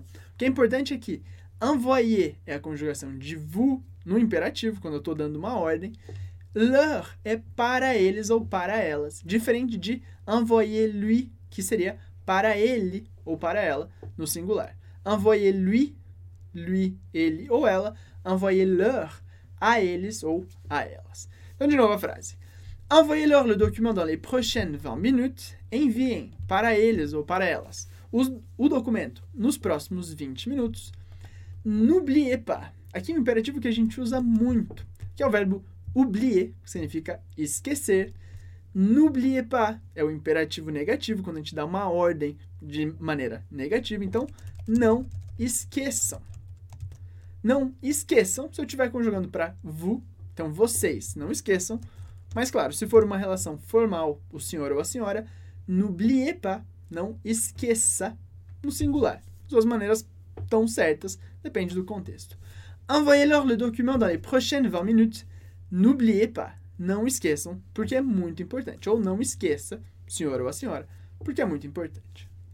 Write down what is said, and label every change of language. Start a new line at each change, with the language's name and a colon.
Portuguese: O que é importante é que envoyer é a conjugação de vous no imperativo, quando eu estou dando uma ordem. Leur é para eles ou para elas. Diferente de envoyer lui, que seria para ele ou para ela no singular. Envoyer lui, lui, ele ou ela. Envoyer leur, a eles ou a elas. Então, de novo a frase.
French: Envoyez-leur le document dans les prochaines 20 minutes.
Portuguese: Enviem para eles ou para elas o documento nos próximos 20 minutos.
French: N'oubliez pas.
Portuguese: Aqui é um imperativo que a gente usa muito, que é o verbo oublier, que significa esquecer. N'oubliez pas é o imperativo negativo, quando a gente dá uma ordem de maneira negativa. Então, não esqueçam. Não esqueçam, se eu estiver conjugando para vous, então vocês, não esqueçam. Mas claro, se for uma relação formal, o senhor ou a senhora,
French: n'oubliez pas,
Portuguese: não esqueça, no singular. Duas maneiras tão certas, depende do contexto.
French: Envoyez-leur le document dans les prochaines 20 minutes. N'oubliez pas,
Portuguese: não esqueçam, porque é muito importante. Ou não esqueça, senhor ou a senhora, porque é muito importante.